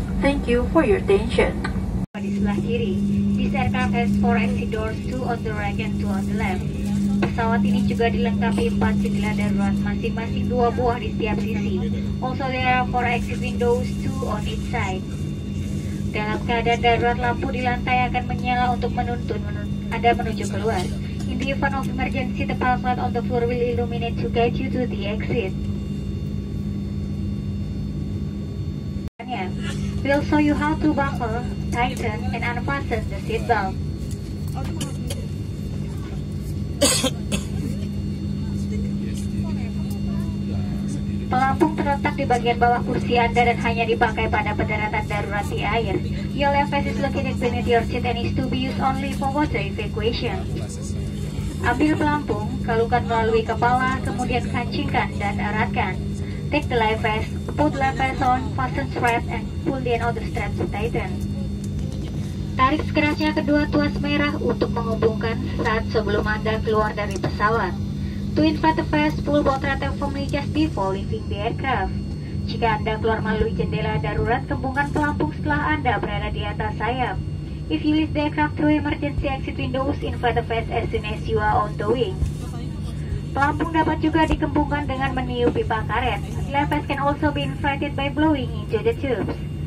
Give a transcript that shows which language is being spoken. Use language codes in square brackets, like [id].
[en] Thank you for your attention. [id] Di sebelah kiri, [en] this aircraft has 4 exit doors, 2 on the right and 2 on the left. [id] Pesawat ini juga dilengkapi 4 jendela darurat, masing-masing 2 buah di setiap sisi. [en] Also there are 4 exit windows, 2 on each side. [id] Dalam keadaan darurat, lampu di lantai akan menyala untuk menuntun Anda menuju keluar. [en] In the event of emergency, the pilot light on the floor will illuminate to guide you to the exit. We'll show you how to buckle, tighten, and unfasten the seatbelt. [id] Pelampung terletak di bagian bawah kursi Anda dan hanya dipakai pada pendaratan darurat di air. [en] Your life vest is located beneath your seat and is to be used only for water evacuation. [id] Ambil pelampung, kalungkan melalui kepala, kemudian kancingkan dan eratkan. [en] Take the life vest, put life vest on, fasten straps, and pull the other straps to tighten. [id] Tarik sekerasnya kedua tuas merah untuk menghubungkan saat sebelum Anda keluar dari pesawat. [en] To inflate the vest, pull both straps firmly just before leaving the aircraft. [id] Jika Anda keluar melalui jendela darurat, kembungkan pelampung setelah Anda berada di atas sayap. [en] If you leave the aircraft through emergency exit windows in front of us as soon as you are on the wing. [id] Pelampung dapat juga dikembungkan dengan meniup pipa karet. [en] Flaps can also be inflated by blowing into the tubes.